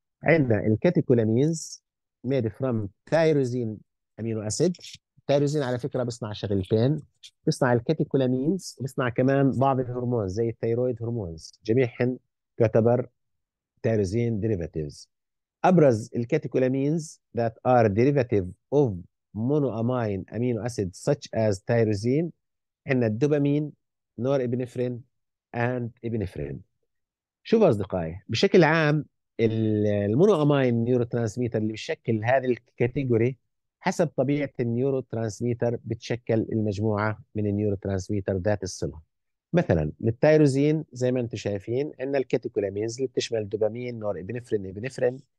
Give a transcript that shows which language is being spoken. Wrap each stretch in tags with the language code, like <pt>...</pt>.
<en>عندنا الكاتيكولامينز made from tyrosine amino acid.</en> <ar>التايروزين على فكره بيصنع شغلتين، بيصنع الكاتيكولامينز وبيصنع كمان بعض الهرمون زي الثيرويد هرمونز، جميعهن تعتبر تايروزين ديريفاتيفز. أبرز الكاتيكولامينز</ar> <en>that are derivative of monoamine amino acids such as tyrosine</en> <ar>عندنا الدوبامين، نور إبنفرين،</ar> <en>And epinephrine.</en> <ar>شوف اصدقائي، بشكل عام المونوامين نيورو ترانسميتر اللي بيشكل هذه الكاتيجوري حسب طبيعه النيورو ترانسميتر بتشكل المجموعه من النيورو ترانسميتر ذات الصله. مثلا للتايروزين زي ما انتم شايفين عندنا الكاتيكولامينز اللي بتشمل دوبامين نور ابنفرين ابنفرين.</ar>